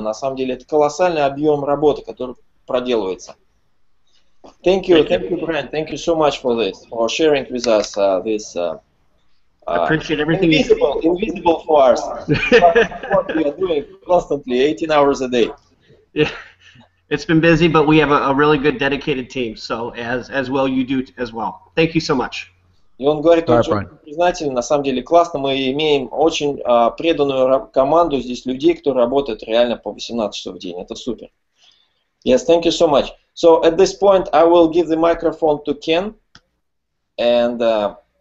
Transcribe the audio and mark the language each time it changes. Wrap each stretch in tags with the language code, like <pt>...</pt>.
<ru>На самом деле это колоссальный объем работы, который проделывается.</ru> <en>Thank you, Brian. Thank you so much for this, for sharing with us this. Appreciate everything. Invisible for us. What we are doing constantly, 18 hours a day. Yeah. It's been busy, but we have a really good dedicated team. So as well you do as well. Thank you so much.</en> <ru>И он говорит, он очень признателен, на самом деле классно, мы имеем очень преданную команду здесь людей, которые работают реально по 18 часов в день, это супер.</ru> <en>Yes, thank you so much. So at this point I will give the microphone to Ken, and</en>